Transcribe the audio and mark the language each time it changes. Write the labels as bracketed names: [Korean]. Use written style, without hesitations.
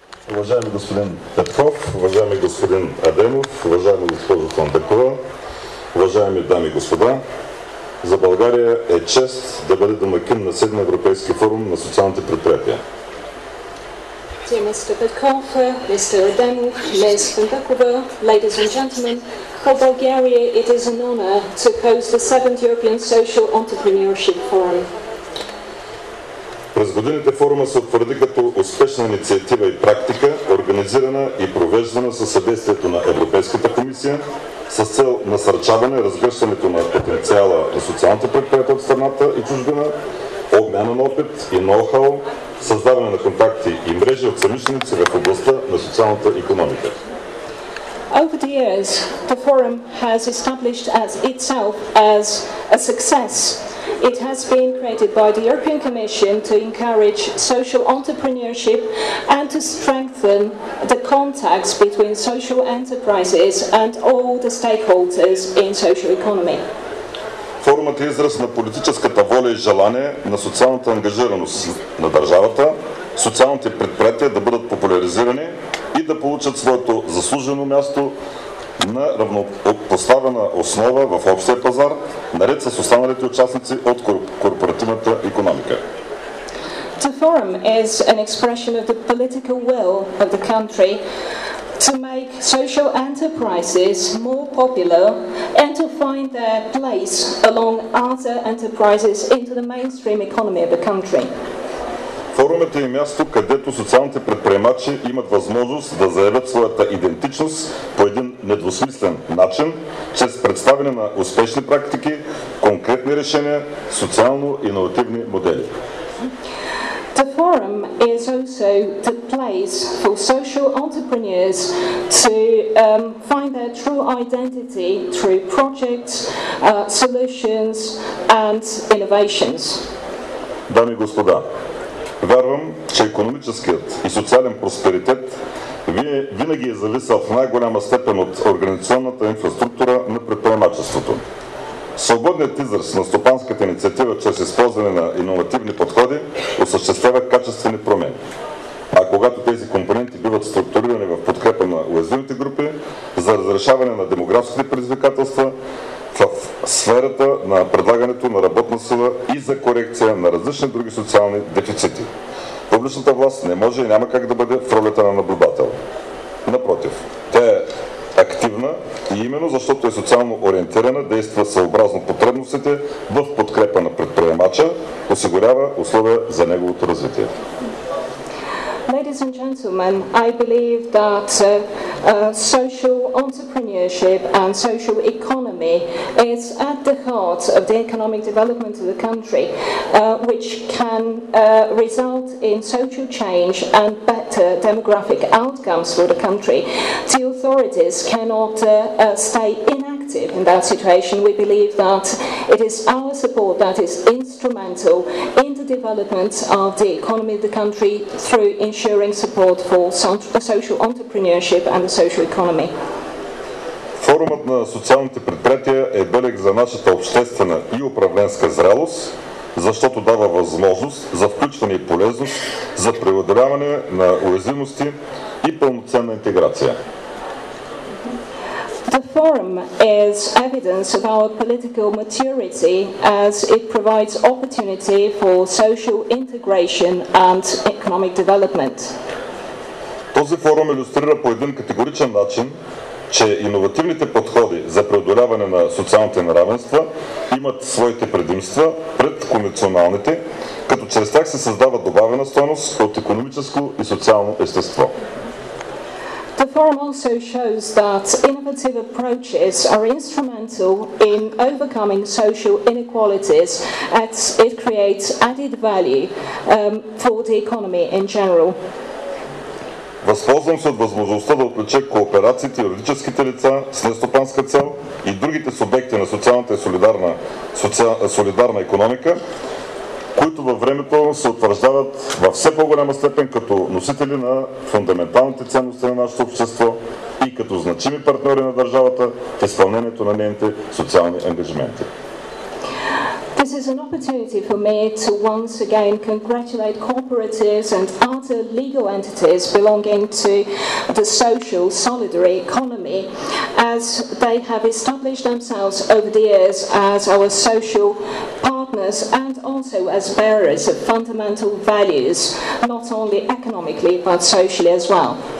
[Bulgarian] Уважаеми господин Петков, уважаеми господин Адемов, уважаеми госпожо Фандекова, уважаеми дами и господа, за България е чест да бъде домакин на 7 Европейски форум на социалните предприятия. [English] Dear Mr. Petkov, Mr. Adamov, Ms. Fandekova, ladies and gentlemen, for Bulgaria it is an honor to host the 7th European Social Entrepreneurship Forum. [Bulgarian] През годините форума се утвърди като успешна инициатива и практика, организирана и провеждана със съдействието на Европейската комисия, с цел насърчаване разгръщането на потенциала на социалните предприятия от страната и чужбина, обмяна на опит и ноу-хау, създаване на контакти и мрежи от съмишленици в областта на социалната икономика. [English] Over the years, the forum has established as itself as a success. It has been created by the European Commission to encourage social entrepreneurship and to strengthen the contacts between social enterprises and all the stakeholders in social economy. [Bulgarian] Форумът е израз на политическата воля и желание на социалната ангажираност на държавата, социалните предприятия да бъдат популяризирани и да получат своето заслужено място на равнопоставена основа в общия пазар, наред с останалите участници от корпоративната икономика. [English] The forum is an expression of the political will of the country to make social enterprises more popular and to find their place along other enterprises into the mainstream economy of the country. [Bulgarian] Форумът е място, където социалните предприемачи имат възможност да заявят своята идентичност по един недвусмислен начин, чрез представяне на успешни практики, конкретни решения, социално-иновативни модели. [English] The forum is also the place for social entrepreneurs to find their true identity through projects, solutions and innovations. [Bulgarian] Дами и господа, вярвам, че икономическият и социален просперитет винаги е зависел в най-голяма степен от организационната инфраструктура на предприемачеството. Свободният израз на стопанската инициатива чрез използване на иновативни подходи осъществява качествени промени. А когато тези компоненти биват структурирани в подкрепа на уязвимите групи за разрешаване на демографските предизвикателства в сферата на предлагането на работна сила и за корекция на различни други социални дефицити. Публичната власт не може и няма как да бъде в ролята на наблюдател. Напротив, тя е активна и именно защото е социално ориентирана, действа съобразно потребностите в подкрепа на предприемача, осигурява условия за неговото развитие. [English] Ladies and gentlemen, I believe that social entrepreneurship and social economy is at the heart of the economic development of the country, which can result in social change and better demographic outcomes for the country. The authorities cannot stay inactive in that situation. We believe that it is our support that is instrumental in development of the economy of the country through ensuring support for social entrepreneurship and the social economy. [Bulgarian] Форумът на социалните предприятия е белег за нашата обществена и управленска зрелост, защото дава възможност за включване и полезност за преодоляване на уязвимости и пълноценна интеграция. [English] The forum is evidence of our political maturity as it provides opportunity for social integration and economic development. [Bulgarian] Този форум илюстрира по един категоричен начин, че иновативните подходи за преодоляване на социалните неравенства имат своите предимства пред конвенционалните, като чрез тях се създава добавена стойност от икономическо и социално естество. [English] The forum also shows that innovative approaches are instrumental in overcoming social inequalities as it creates added value for the economy in general. [Bulgarian] Възползвам се от възможността да отлича кооперациите и юридическите лица с нестопанска цел и другите субекти на социалната и солидарна икономика, които във времето се утвърждават във все по-голяма степен като носители на фундаменталните ценности на нашето общество и като значими партньори на държавата в изпълнението на нейните социални ангажименти. [English] This is an opportunity for me to once again congratulate cooperatives and other legal entities belonging to the social solidary economy as they have established themselves over the years as our social partners and also as bearers of fundamental values, not only economically but socially as well.